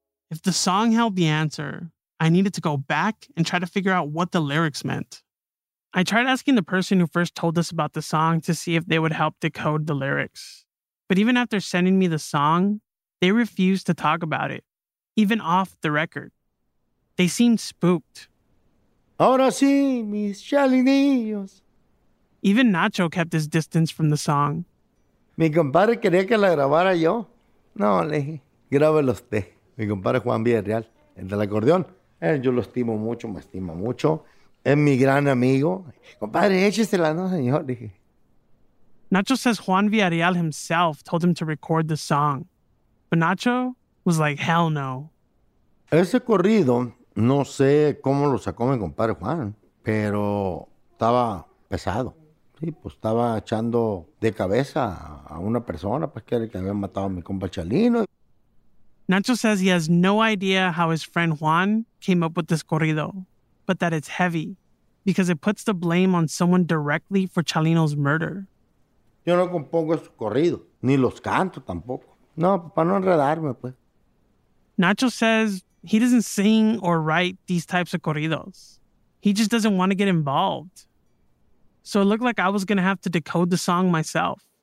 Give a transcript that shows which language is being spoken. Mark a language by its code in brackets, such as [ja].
[en] If the song held the answer, I needed to go back and try to figure out what the lyrics meant. I tried asking the person who first told us about the song to see if they would help decode the lyrics. But even after sending me the song, they refused to talk about it, even off the record. They seemed spooked. [es] Ahora sí, mis chalinillos. [en] Even Nacho kept his distance from the song. [es] Mi compadre quería que la grabara yo. No, le dije, grábelo usted. Mi compadre Juan Villarreal, el del acordeón. Yo lo estimo mucho, me estima mucho. Es mi gran amigo. Compadre, échesela, no, señor, le dije. [en] Nacho says Juan Villarreal himself told him to record the song. But Nacho was like, hell no. [es] Ese corrido, no sé cómo lo sacó mi compadre Juan, pero estaba pesado. Sí, pues estaba echando de cabeza a una persona, pues que era el que había matado a mi compa Chalino. [en] Nacho says he has no idea how his friend Juan came up with this corrido, but that it's heavy, because it puts the blame on someone directly for Chalino's murder. [es] Yo no compongo su corrido, ni los canto tampoco. No, para no enredarme, pues. [en] Nacho says he doesn't sing or write these types of corridos. He just doesn't want to get involved. So it looked like I was going to have to decode the song myself.